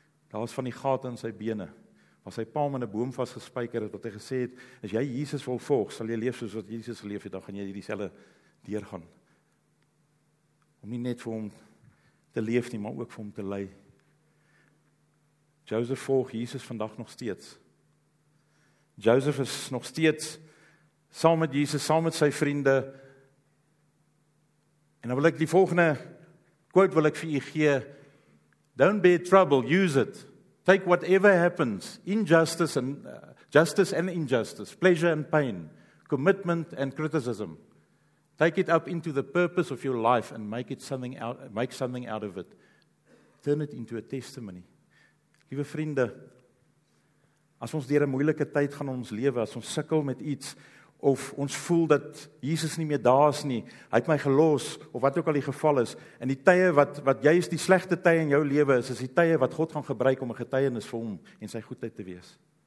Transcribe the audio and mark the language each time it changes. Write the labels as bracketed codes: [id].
[af] Daar was van die gaten in sy bene, waar sy pa aan 'n boom vasgespijker het, wat hy gesê het, as jy Jesus wil volg, sal jy leef soos wat Jesus geleef het, dan gaan jy die selle deurgaan. Om nie net vir hom te leef nie, maar ook vir hom te lei. Joseph volg Jesus vandag nog steeds. Joseph is nog steeds saam met Jesus, saam met sy vriende, en dan wil ek die volgende quote wil ek vir u gee. [en] Don't be trouble, use it. Take whatever happens, justice and injustice, pleasure and pain, commitment and criticism. Take it up into the purpose of your life and make something out of it. Turn it into a testimony. [af] Liewe vriende, as ons deur 'n moeilike tyd gaan in ons lewe, as ons sukkel met iets, of ons voel dat Jesus nie meer daar is nie, hy het my gelos, of wat ook al die geval is, en die tye wat juist die slegte tye in jou lewe is, is die tye wat God gaan gebruik om 'n getuienis vir hom en sy goedheid te wees.